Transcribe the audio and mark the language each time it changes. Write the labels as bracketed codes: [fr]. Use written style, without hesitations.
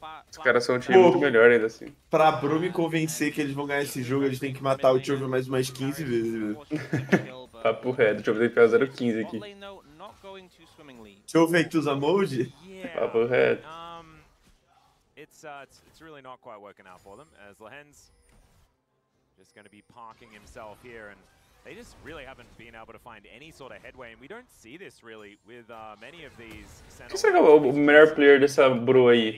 [pt] Os caras são um time muito melhor ainda assim. Pra Bru me convencer que eles vão ganhar esse jogo, eles têm que matar o Chovy mais umas 15 vezes. Papo reto, o Chovy tem que pegar 0-15 aqui. Chovy, tu usa molde? Papo reto. [en] It's really not quite working out for them, as Lahenz just gonna be parking himself here and... They just really haven't been able to find any sort of headway, and we don't see this really with many of these. [pt] Quem será que é o melhor player dessa Bru aí?